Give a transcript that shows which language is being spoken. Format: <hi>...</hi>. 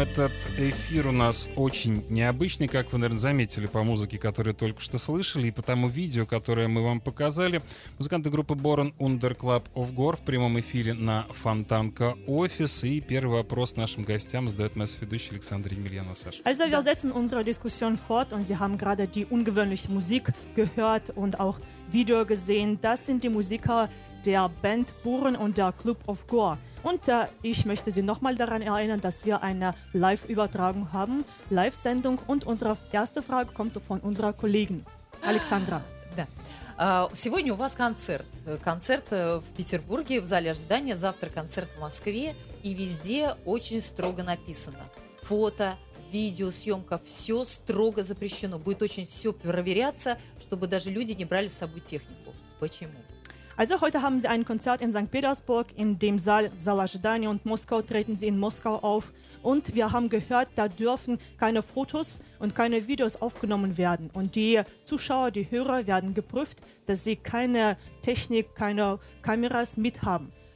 <ru>Этот эфир у нас очень необычный, как вы, наверное, заметили по музыке, которую только что слышали, и по тому видео, которое мы вам показали. Музыканты группы Born Under Club of Gore в прямом эфире на Фонтанка Офис. И первый вопрос нашим гостям задает мессоведущий Александр Емельянов. Саша.</ru> <de>Also, wir setzen unsere Diskussion fort, und Sie haben gerade die ungewöhnliche Musik gehört und auch Video gesehen. Das sind die Musiker der Band Born und der Club of Gore. Und ich möchte Sie nochmal daran erinnern, dass wir eine Live-Übertragung haben, Live-Sendung. Und unsere erste Frage kommt von unserer Kollegin Alexandra.</de> <ru>Да. Сегодня у вас концерт. Концерт в Петербурге, в зале ожидания. Завтра концерт в Москве. И везде очень строго написано. Фото, видеосъемка, все строго запрещено. Будет очень все проверяться, чтобы даже люди не брали с собой технику. Почему?</ru> <de>Also heute haben Sie ein Konzert in St. Petersburg in dem Saal Saal Ajdani und Moskau treten Sie in Moskau auf und wir haben gehört, da dürfen keine Fotos und keine Videos aufgenommen werden und die Zuschauer, die Hörer werden geprüft, dass sie keine Technik, keine Kameras mit haben.</de>